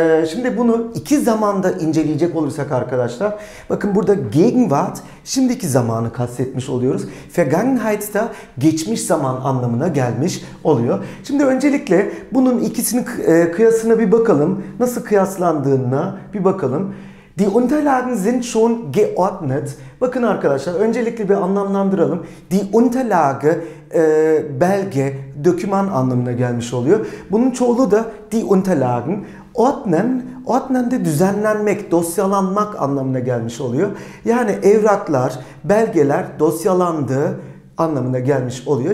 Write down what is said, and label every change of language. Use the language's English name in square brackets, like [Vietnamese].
[Turkish] Şimdi bunu iki zamanda inceleyecek olursak arkadaşlar, bakın burada Gegenwart, şimdiki zamanı kastetmiş oluyoruz. Vergangenheit da geçmiş zaman anlamına gelmiş oluyor. Şimdi öncelikle bunun ikisinin kıyasına bir bakalım. Nasıl kıyaslandığına bir bakalım. [German] Die Unterlagen sind schon geordnet. [Turkish] Bakın arkadaşlar, öncelikle bir anlamlandıralım. Die Unterlage, belge, döküman anlamına gelmiş oluyor. Bunun çoğulu da die Unterlagen. Ordnen, ordnen de düzenlenmek, dosyalanmak anlamına gelmiş oluyor. Yani evraklar, belgeler dosyalandı anlamına gelmiş oluyor.